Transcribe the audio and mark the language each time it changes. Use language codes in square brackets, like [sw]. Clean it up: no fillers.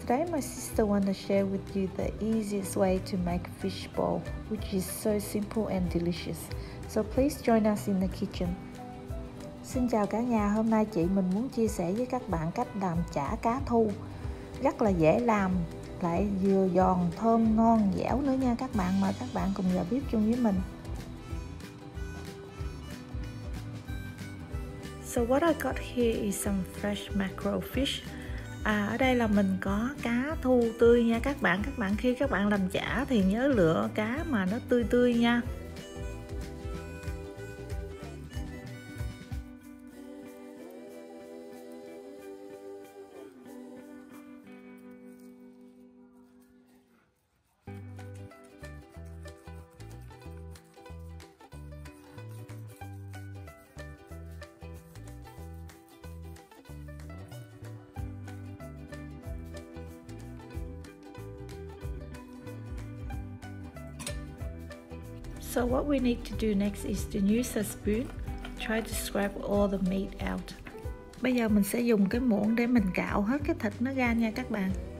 [en] Today my sister wants to share with you the easiest way to make fishball, which is so simple and delicious. So please join us in the kitchen. [vi] Xin chào cả nhà, hôm nay chị mình muốn chia sẻ với các bạn cách làm chả cá thu. Rất là dễ làm, lại vừa giòn, thơm, ngon, dẻo nữa nha các bạn. Mời các bạn cùng vào bếp chung với mình. [en] So what I got here is some fresh mackerel fish. [vi] Ở đây là mình có cá thu tươi nha các bạn. Các bạn khi các bạn làm chả thì nhớ lựa cá mà nó tươi tươi nha. [en] So what we need to do next is to use a spoon, try to scrape all the meat out. [vi] Bây giờ mình sẽ dùng cái muỗng để mình cạo hết cái thịt nó ra nha các bạn.